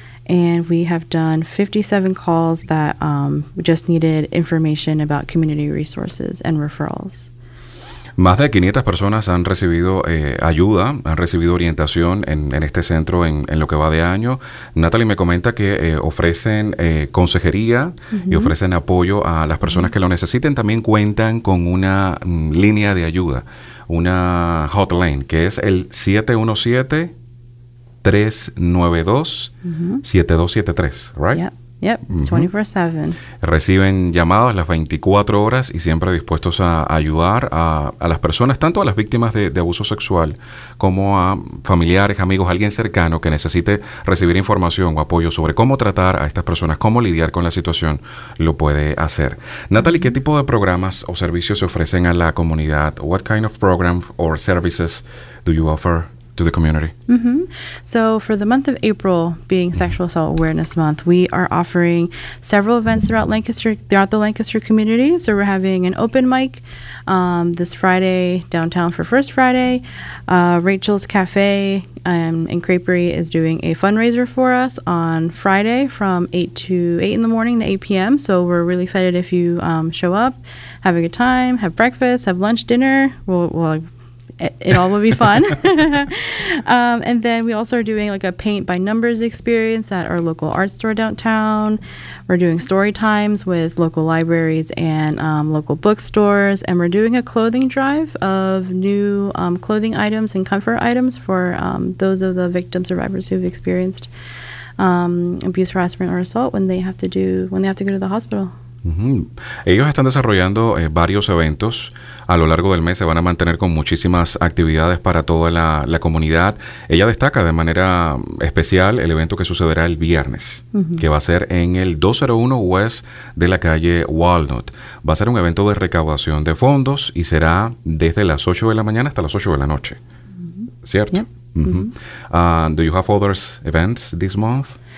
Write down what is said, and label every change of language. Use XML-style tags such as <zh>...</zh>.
<en>And we have done 57 calls that just needed information about community resources and referrals.</en> <es>Más de 500 personas han recibido ayuda, han recibido orientación en este centro en lo que va de año. Natalie me comenta que ofrecen consejería y ofrecen apoyo a las personas que lo necesiten. También cuentan con una línea de ayuda, una hotline, que es el 717-392-7273, right?</es> <en>Yep, it's 24/7.</en> <es>Reciben llamadas las 24 horas y siempre dispuestos a ayudar a las personas, tanto a las víctimas de abuso sexual como a familiares, amigos, alguien cercano que necesite recibir información o apoyo sobre cómo tratar a estas personas, cómo lidiar con la situación, lo puede hacer. Natalie, ¿qué tipo de programas o servicios se ofrecen a la comunidad?</es> <en>What kind of programs or services do you offer to the community? So for the month of April, being Sexual Assault Awareness Month, we are offering several events throughout the Lancaster community. So we're having an open mic this Friday downtown for First Friday. Rachel's Cafe in Creperie is doing a fundraiser for us on Friday from 8 to 8 in the morning to 8 p.m. So we're really excited if you show up, have a good time, have breakfast, have lunch, dinner. It all will be fun. And then we also are doing like a paint by numbers experience at our local art store downtown. We're doing story times with local libraries and local bookstores. And we're doing a clothing drive of new clothing items and comfort items for those of the victim survivors who've experienced abuse, harassment, or assault when they have to go to the hospital.</en> <es>Ellos están desarrollando varios eventos a lo largo del mes. Se van a mantener con muchísimas actividades para toda la comunidad. Ella destaca de manera especial el evento que sucederá el viernes, que va a ser en el 201 West de la calle Walnut. Va a ser un evento de recaudación de fondos y será desde las 8 de la mañana hasta las 8 de la noche. ¿Cierto?</es> <en>Do you have other events this month?</en>